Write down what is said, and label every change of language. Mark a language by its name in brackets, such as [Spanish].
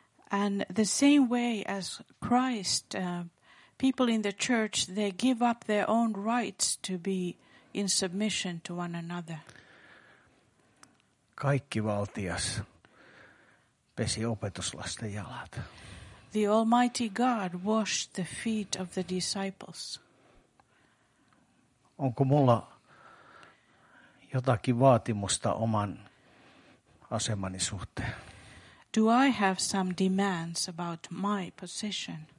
[English] And the same way as Christ, people in the church, they give up their own rights to be in submission to one another. [Finnish] Kaikki valtias pesi opetuslasten jalat. [English] The Almighty God washed the feet of the disciples. [Finnish] Onko mulla jotakin vaatimusta oman asemani suhteen? [English] Do I have some demands about my position?